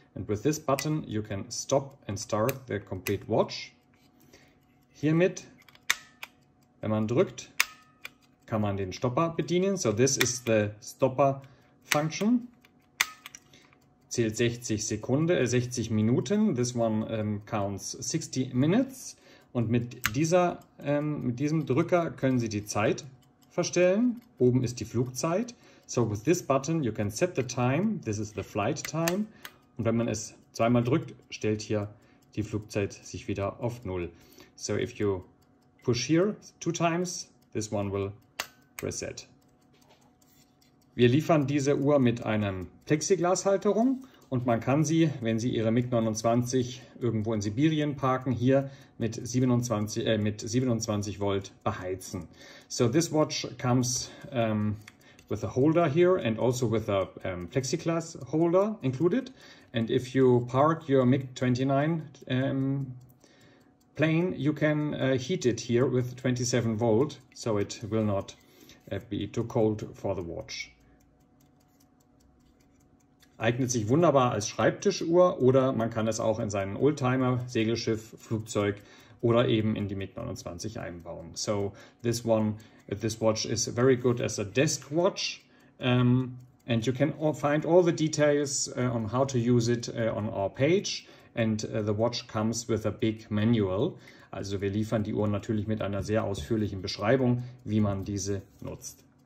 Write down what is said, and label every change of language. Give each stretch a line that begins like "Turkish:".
English: And with this button you can stop and start the complete watch.
German: Hiermit, wenn man drückt, kann man den Stopper bedienen.
English: So this is the stopper function.
German: Zählt 60 Sekunden, 60 Minuten.
English: This one counts 60 minutes.
German: Und mit diesem Drücker können Sie die Zeit verstellen. Oben ist die Flugzeit.
English: So with this button you can set the time. This is the flight time.
German: Und wenn man es zweimal drückt, stellt hier die Flugzeit sich wieder auf Null.
English: So if you push here two times, this one will reset.
German: Wir liefern diese Uhr mit einer Plexiglashalterung und man kann sie, wenn Sie Ihre MiG-29 irgendwo in Sibirien parken, hier mit 27 Volt beheizen.
English: So this watch comes with a holder here and also with a Plexiglas holder included. And if you park your MiG-29 plane, you can heat it here with 27 Volt, so it will not be too cold for the watch.
German: Eignet sich wunderbar als Schreibtischuhr oder man kann es auch in seinen Oldtimer, Segelschiff, Flugzeug oder eben in die MiG-29 einbauen.
English: So this watch is very good as a desk watch. And you can all find all the details on how to use it on our page. And the watch comes with a big manual.
German: Also wir liefern die Uhr natürlich mit einer sehr ausführlichen Beschreibung, wie man diese nutzt.